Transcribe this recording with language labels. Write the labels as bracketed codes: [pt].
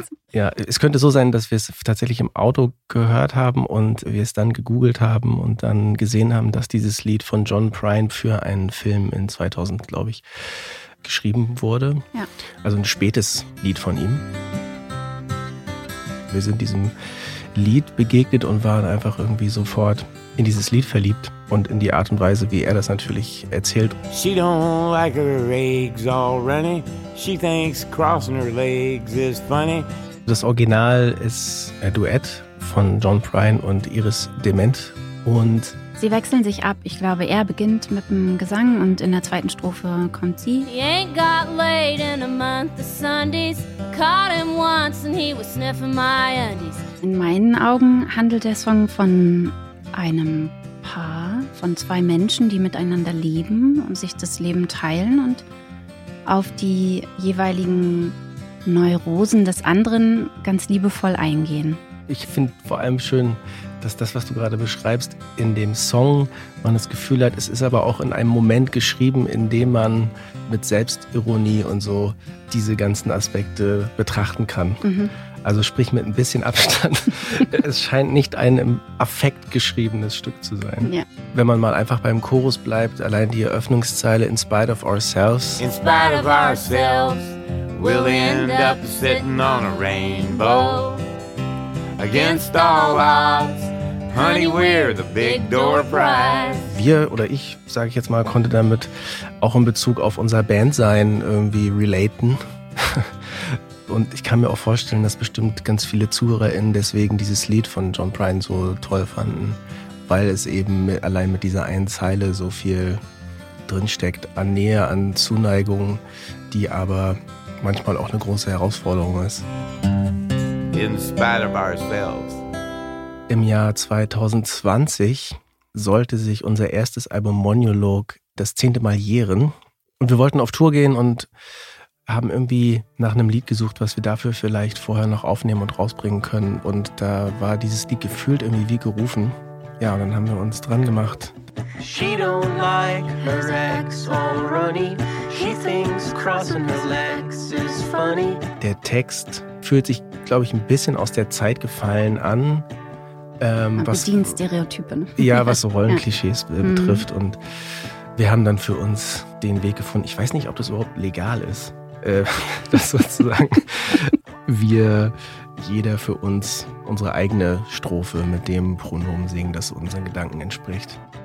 [de] Ja, es könnte so sein, dass wir es tatsächlich im Auto gehört haben und wir es dann gegoogelt haben und dann gesehen haben, dass dieses Lied von John Prine für einen Film in 2000, glaube ich, geschrieben wurde. Ja. Also ein spätes Lied von ihm. Wir sind diesem Lied begegnet und waren einfach irgendwie sofort in dieses Lied verliebt und in die Art und Weise, wie er das natürlich erzählt. [en] She don't like her eggs all runny. She thinks crossing her legs is funny. [de] Das Original ist ein Duett von John Prine und Iris Dement und sie wechseln sich ab. Ich glaube, er beginnt mit dem Gesang und in der zweiten Strophe kommt sie. [en] He ain't got laid in a month of Sundays. Caught him once and he was sniffing my undies. [de] In meinen Augen handelt der Song von einem Paar, von zwei Menschen, die miteinander leben und sich das Leben teilen und auf die jeweiligen Neurosen des anderen ganz liebevoll eingehen. Ich finde vor allem schön, dass das, was du gerade beschreibst, in dem Song man das Gefühl hat, es ist aber auch in einem Moment geschrieben, in dem man mit Selbstironie und so diese ganzen Aspekte betrachten kann. Mhm. Also sprich mit ein bisschen Abstand. Es scheint nicht ein im Affekt geschriebenes Stück zu sein. Ja. Wenn man mal einfach beim Chorus bleibt, allein die Eröffnungszeile In Spite of Ourselves. [en] In spite of ourselves, we'll end up sitting on a rainbow. Against all odds, honey, we're the big door prize. [de] Wir oder ich, sage ich jetzt mal, konnte damit auch in Bezug auf unser Bandsein irgendwie relaten. Und ich kann mir auch vorstellen, dass bestimmt ganz viele ZuhörerInnen deswegen dieses Lied von John Prine so toll fanden, weil es eben allein mit dieser einen Zeile so viel drinsteckt an Nähe, an Zuneigung, die aber manchmal auch eine große Herausforderung ist. [en] In spite of ourselves. [de] Im Jahr 2020 sollte sich unser erstes Album Monologue das 10. Mal jähren. Und wir wollten auf Tour gehen und haben irgendwie nach einem Lied gesucht, was wir dafür vielleicht vorher noch aufnehmen und rausbringen können. Und da war dieses Lied gefühlt irgendwie wie gerufen. Ja, und dann haben wir uns dran gemacht. She don't like her ex all runny. She thinks crossing her legs is funny. Der Text fühlt sich, glaube ich, ein bisschen aus der Zeit gefallen an. Was bedient Stereotypen. Ja, was so Rollenklischees betrifft. Und wir haben dann für uns den Weg gefunden. Ich weiß nicht, ob das überhaupt legal ist, dass sozusagen wir jeder für uns unsere eigene Strophe mit dem Pronomen singen, das unseren Gedanken entspricht.